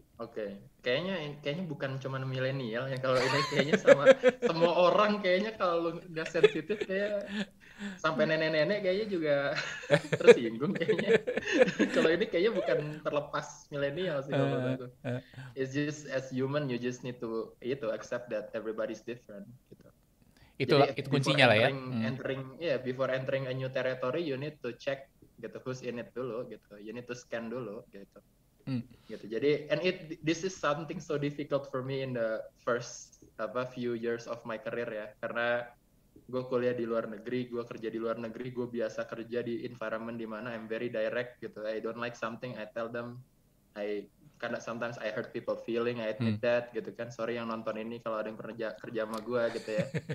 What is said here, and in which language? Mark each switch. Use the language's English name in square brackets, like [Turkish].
[English] Okay. [Indonesian] Kayaknya bukan cuma milenial ya, kalau ini kayaknya sama semua orang, kayaknya kalau lu udah sensitif kayak sampai nenek-nenek kayaknya juga tersinggung kayaknya. Kalau ini kayaknya bukan terlepas milenial sih kalau menurut aku. [English] It's just as human you just need to [Indonesian] itu [English] accept that everybody's different [Indonesian] gitu. Itu jadi, itu kuncinya lah ya. [English] Before entering a new territory you need to check gitu who's in it [Indonesian] dulu gitu. [English] You need to scan [Indonesian] dulu gitu. Gitu. Jadi [English] and it this is something so difficult for me in the first [Indonesian] apa [English] few years of my career ya. [Indonesian] Karena gue kuliah di luar negeri, gue kerja di luar negeri, gue biasa kerja di environment di mana [English] I'm very direct [Indonesian] gitu. [English] I don't like something, I tell them. I [Indonesian] karena [English] sometimes I hurt people feeling, I admit that [Indonesian] gitu kan. Sorry yang nonton ini kalau ada yang pernah kerja sama gue gitu ya.